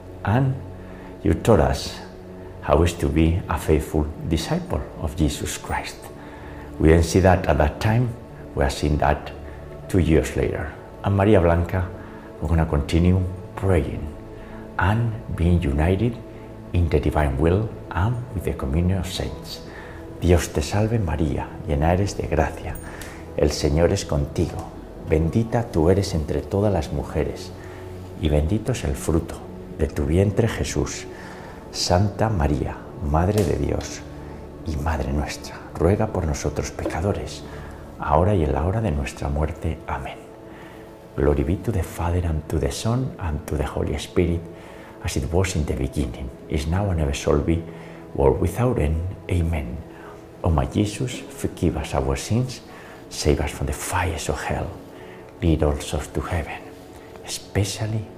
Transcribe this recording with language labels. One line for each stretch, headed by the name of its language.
English: And you taught us how is to be a faithful disciple of Jesus Christ. We didn't see that at that time, we are seeing that 2 years later. And Maria Blanca, we're going to continue praying and being united in the divine will and with the communion of saints.
Spanish: Dios te salve, María, llena eres de gracia. El Señor es contigo. Bendita tú eres entre todas las mujeres y bendito es el fruto de tu vientre, Jesús. Santa María, Madre de Dios y Madre nuestra, ruega por nosotros, pecadores, ahora y en la hora de nuestra muerte. Amén.
English: Glory be to the Father, and to the Son, and to the Holy Spirit, as it was in the beginning, is now, and ever shall be, world without end. Amen. O my Jesus, forgive us our sins, save us from the fires of hell, lead all souls to heaven, especially